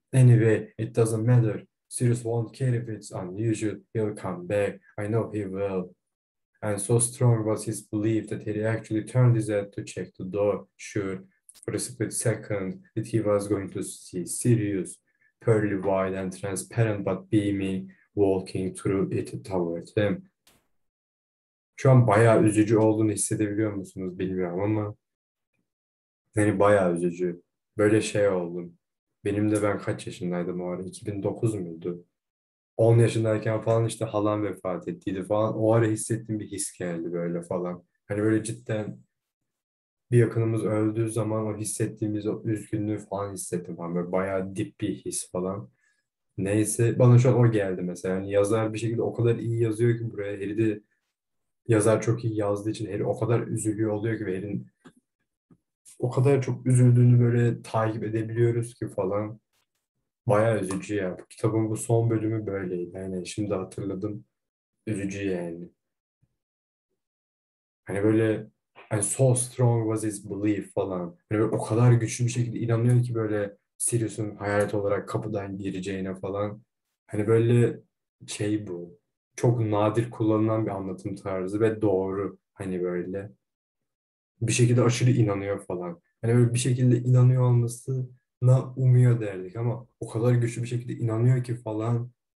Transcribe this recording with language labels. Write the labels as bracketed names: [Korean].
[English] Anyway, it doesn't matter. Sirius won't care if it's unusual. He'll come back. I know he will. And so strong was his belief that Harry actually turned his head to check the door. Sure, for a split second, that he was going to see Sirius. pearly white and transparent but beaming, walking through it towards them. [Turkish] Şu an bayağı üzücü olduğunu hissedebiliyor musunuz bilmiyorum ama yani bayağı üzücü. Böyle şey oldum. Benim de ben kaç yaşındaydım o ara? 2009 muydu? 10 yaşındayken falan işte halam vefat ettiydi falan. O ara hissettiğim bir his geldi böyle falan. Hani böyle cidden bir yakınımız öldüğü zaman o hissettiğimiz o üzgünlüğü falan hissettim. Falan. Böyle bayağı dip bir his falan. Neyse bana şu an o geldi mesela. Yani yazar bir şekilde o kadar iyi yazıyor ki buraya. Harry de yazar çok iyi yazdığı için Harry o kadar üzülüyor oluyor ki. Harry'in o kadar çok üzüldüğünü böyle takip edebiliyoruz ki falan. Bayağı üzücü ya. Bu kitabın bu son bölümü böyleydi. Yani şimdi hatırladım. Üzücü yani. Hani böyle [English] and so strong was his belief falan. [Turkish] Hani böyle o kadar güçlü bir şekilde inanıyor ki böyle Sirius'un hayalet olarak kapıdan gireceğine falan. Hani böyle şey bu. Çok nadir kullanılan bir anlatım tarzı ve doğru. Hani böyle. Bir şekilde aşırı inanıyor falan. Hani böyle bir şekilde inanıyor olmasına umuyor derdik ama o kadar güçlü bir şekilde inanıyor ki falan.